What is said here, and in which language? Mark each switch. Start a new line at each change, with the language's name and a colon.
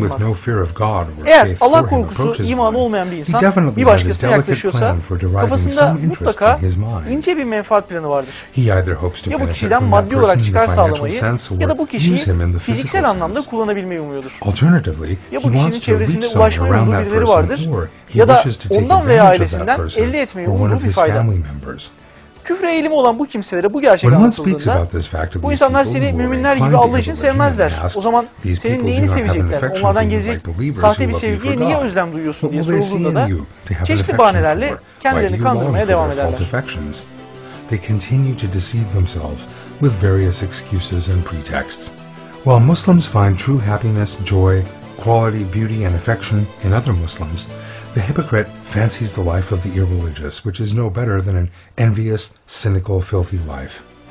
English: with no fear of God or faith for him approaches one, he definitely has a delicate plan for deriving some interest in his mind. He either hopes to benefit from that person in a financial sense or use him in the physical sense. Alternatively, he wants to reach someone around that person, or he wishes to take advantage of that person or one of his family members.
Turkish: Küfre eğilimi olan bu kimselere bu gerçek anlatıldığında bu insanlar seni müminler gibi Allah için sevmezler. O zaman senin neyini sevecekler? Onlardan gelecek sahte bir sevgiye niye özlem duyuyorsun diye sorulduğunda da çeşitli bahanelerle kendilerini kandırmaya devam ederler.
English: They continue to deceive themselves with various excuses and pretexts. While Muslims find true happiness, joy, quality, beauty, and affection in other Muslims, the hypocrite fancies the life of the irreligious, which is no better than an envious, cynical, filthy life.